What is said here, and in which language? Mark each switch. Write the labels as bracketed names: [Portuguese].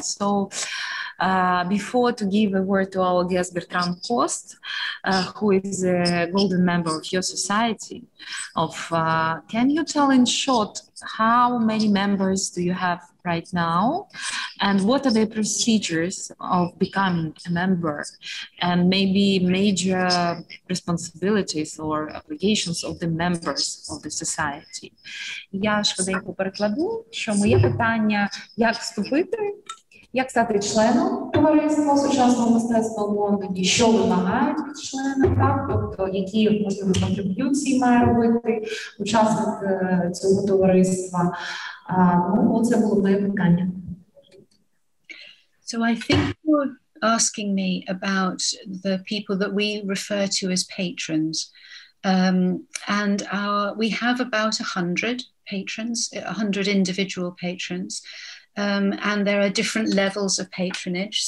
[English] So before to give a word to our guest Bertrand Coste, who is a golden member of your society, of can you tell in short how many members do you have right now, and what are the procedures of becoming a member, and maybe major responsibilities or obligations of the members of the society? [Ukrainian] Я швиденько перекладу, що моє питання, як вступити, як стати членом товариства сучасного мистецтва в Лондоні, що вимагають від члена, так? Тобто які можливо контриб'юції має робити учасник цього товариства. [English] So I think you're asking me about the people that we refer to as patrons, and we have about 100 patrons, 100 individual patrons, and there are different levels of patronage.